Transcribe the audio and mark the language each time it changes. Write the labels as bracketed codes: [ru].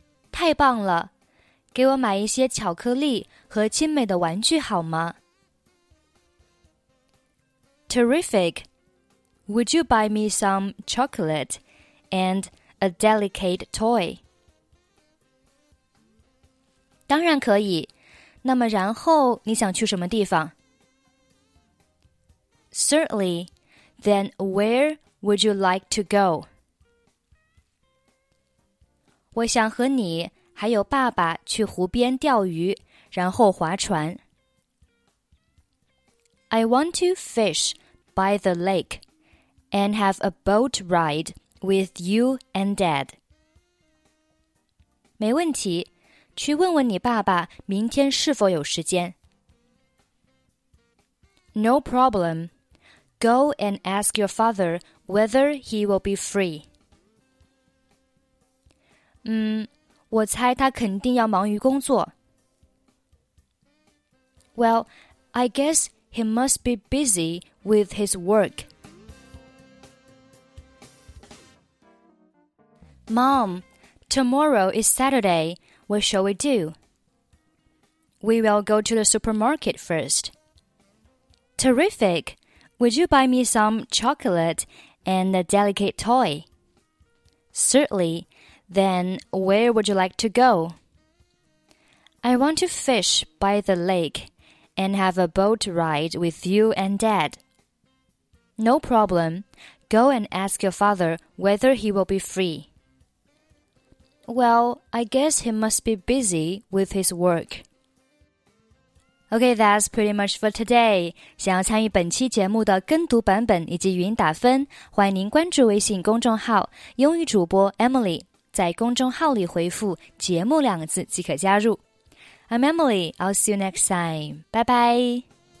[zh] 太棒了。给我买一些巧克力和精美的玩具好吗? [en] Terrific! Would you buy me some chocolate and a delicate toy? [zh] 当然可以。那么然后你想去什么地方? [en] Certainly, then where would you like to go? [zh] 我想和你还有爸爸去湖边钓鱼，然后划船。 [en] I want to fish by the lake and have a boat ride with you and dad. [zh] 没问题，去问问你爸爸明天是否有时间。 [en] No problem. Go and ask your father whether he will be free. [zh] 我猜他肯定要忙于工作。 [en] Well, I guess he must be busy with his work. Mom, tomorrow is Saturday. What shall we do? We will go to the supermarket first. Terrific! Would you buy me some chocolate and a delicate toy? Certainly. Then where would you like to go? I want to fish by the lake and have a boat ride with you and Dad. No problem. Go and ask your father whether he will be free. Well, I guess he must be busy with his work. Okay, that's pretty much for today. [zh] 想要参与本期节目的跟读版本以及语音打分，欢迎您关注微信公众号英语主播 Emily， 在公众号里回复节目两个字即可加入。 [en] I'm Emily, I'll see you next time. Bye bye.